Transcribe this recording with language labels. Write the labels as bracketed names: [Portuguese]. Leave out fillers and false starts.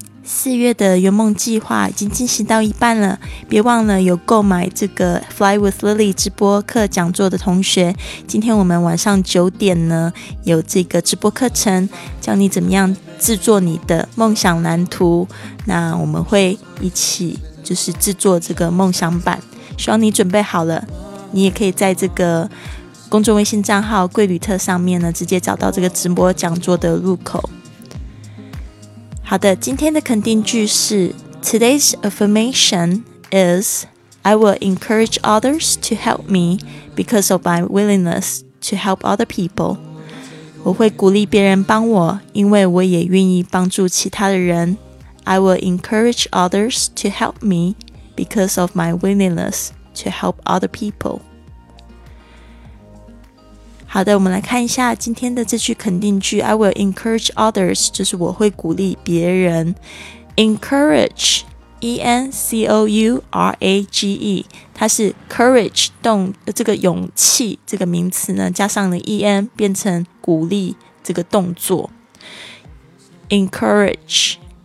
[Chinese] 四月的圆梦计划已经进行到一半了，别忘了有购买这个 Fly with Lily 直播课讲座的同学，今天我们晚上9点呢有这个直播课程，教你怎么样制作你的梦想蓝图，那我们会一起就是制作这个梦想版，希望你准备好了，你也可以在这个公众微信账号贵旅特上面呢直接找到这个直播讲座的入口。好的，今天的肯定句是 [English] Today's affirmation is I will encourage others to help me because of my willingness to help other people. [Chinese] 我会鼓励别人帮我，因为我也愿意帮助其他的人。 [English] I will encourage others to help me because of my willingness to help other people. [Chinese] 好的，我们来看一下今天的这句肯定句。 [English] I will encourage others [Chinese] 就是我会鼓励别人。 Encourage E-N-C-O-U-R-A-G-E 它是 courage 动这个勇气这个名词呢加上了 E-N 变成鼓励这个动作 Encourage。